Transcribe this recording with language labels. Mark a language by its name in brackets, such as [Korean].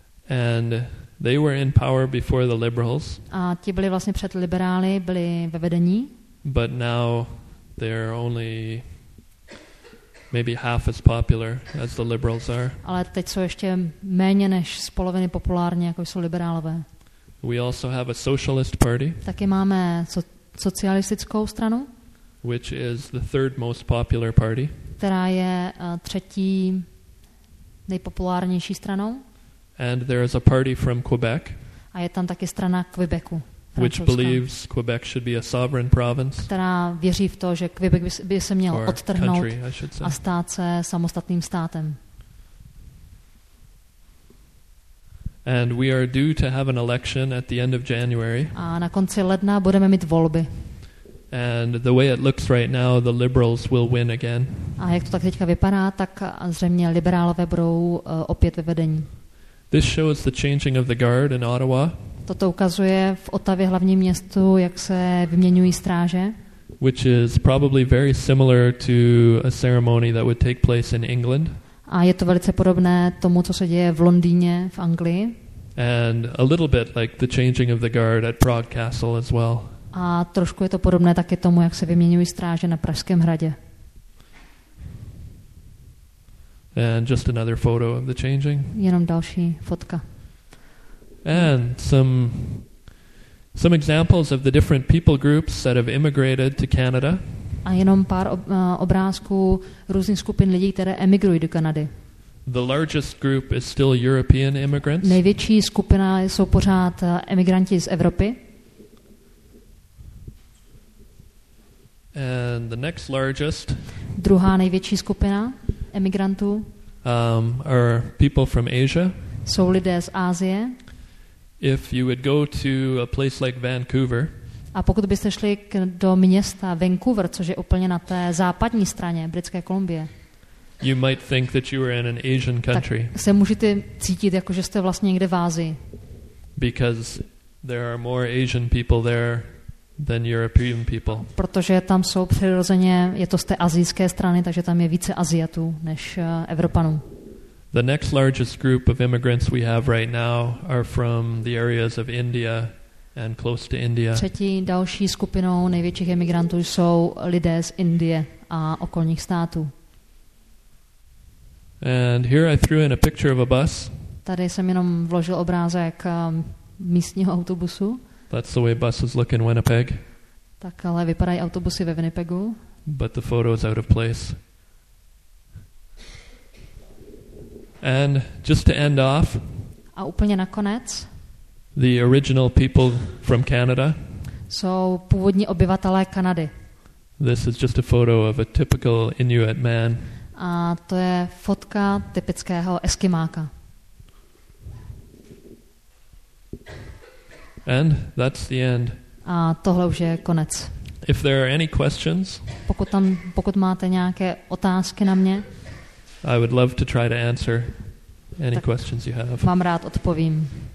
[English] And they were in power before the Liberals. [Czech] A ti byli vlastně před liberály, byli ve vedení. [English] But now they're only maybe half as popular as the Liberals are. [Czech] Ale teď jsou ještě méně než z poloviny populární, jako jsou liberálové. [English] We also have a socialist party. [Czech] Taky máme socialistickou stranu. [English] Which is the third most popular party. [Czech] Která je třetí nejpopulárnější stranou. [English] And there is a party from Quebec. [Czech] A je tam taky strana Quebecu. [English] Which believes Quebec should be a sovereign province. [Czech] Která věří v to, že Quebec by se měl odtrhnout a stát se samostatným státem. [English] And we are due to have an election at the end of January. [Czech] A na konci ledna budeme mít volby. [English] And the way it looks right now, the Liberals will win again. [Czech] A jak to tak teďka vypadá, tak zřejmě liberálové budou opět ve vedení. [English] This shows the changing of the guard in Ottawa. [Czech] Toto ukazuje v Ottawě, hlavním městu, jak se vyměňují stráže. [English] Which is probably very similar to a ceremony that would take place in England. [Czech] A je to velice podobné tomu, co se děje v Londýně, v Anglii. [English] And a little bit like the changing of the guard at Prague Castle as well. [Czech] A trošku je to podobné taky tomu, jak se vyměňují stráže na Pražském hradě. [English] And just another photo of the changing. [Czech] Jenom další fotka. [English] And some examples of the different people groups that have immigrated to Canada. [Czech] A jenom pár obrázků různých skupin lidí, které emigrují do Kanady. [English] The largest group is still European immigrants. [Czech] Největší skupina jsou pořád emigranti z Evropy. [English] And the next largest. [Czech] Druhá největší skupina emigrantů. [English] Are people from Asia. [Czech] Jsou lidé z Asie. [English] If you would go to a place like Vancouver. [Czech] A pokud byste šli do města Vancouver, což je úplně na té západní straně Britské Kolumbie. [English] You might think that you are in an Asian country. [Czech] Tak se můžete cítit jako že jste vlastně někde v Asii. [English] Because there are more Asian people there than European people. [Czech] Protože tam jsou přirozeně, je to z té asijské strany, takže tam je více Asiatů než Evropanů. [English] The next largest group of immigrants we have right now are from the areas of India and close to India. [Czech] Třetí další skupinou největších emigrantů jsou lidé z Indie a okolních států. [English] And here I threw in a picture of a bus. [Czech] Tady jsem jenom vložil obrázek místního autobusu. [English] That's the way buses look in Winnipeg. [Czech] Tak ale vypadají autobusy ve Winnipegu. [English] But the photo is out of place. And just to end off. [Czech] A úplně nakonec. [English] The original people from Canada. [Czech] Jsou původní obyvatelé Kanady. [English] This is just a photo of a typical Inuit man. [Czech] A to je fotka typického Eskimáka. [English] And that's the end. [Czech] A tohle už je konec. [English] If there are any questions, [Czech] pokud máte nějaké otázky na mě, [English] I would love to try to answer any questions you have. [Czech] Mám rád odpovím.